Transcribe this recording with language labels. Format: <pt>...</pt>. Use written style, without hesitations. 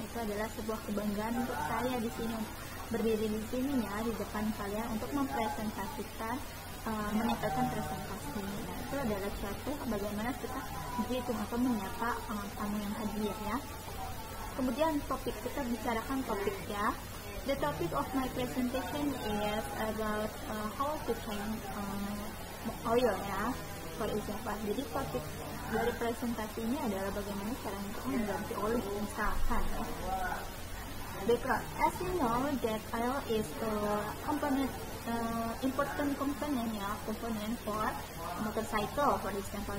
<id>Itu adalah sebuah kebanggaan untuk saya di sini, berdiri di sini ya, di depan kalian untuk mempresentasikan, menyampaikan presentasi. Nah, itu adalah suatu bagaimana kita greeting atau menyapa tamu yang hadir ya. Kemudian topik, kita bicarakan topik ya.</id> <en>The topic of my presentation is about how to clean oil ya, for example.</en> <id>Jadi topik dari presentasi ini adalah bagaimana cara untuk mengganti oli misalkan ya.</id> <en>Because as you know that oil is a component, important component ya, component for motorcycle for example.</en>